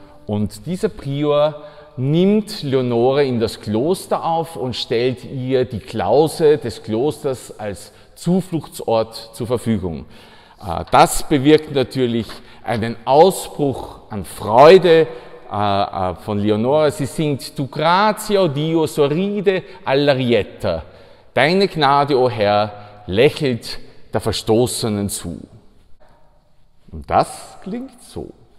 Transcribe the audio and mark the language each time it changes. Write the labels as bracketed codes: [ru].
[de] Und dieser Prior nimmt Leonore in das Kloster auf und stellt ihr die Klause des Klosters als Zufluchtsort zur Verfügung. Das bewirkt natürlich einen Ausbruch an Freude von Leonore. Sie singt [it] Tu grazia, o Dio, sorride all'arietta. [de] Deine Gnade, o Herr, lächelt der Verstoßenen zu. Und das klingt so.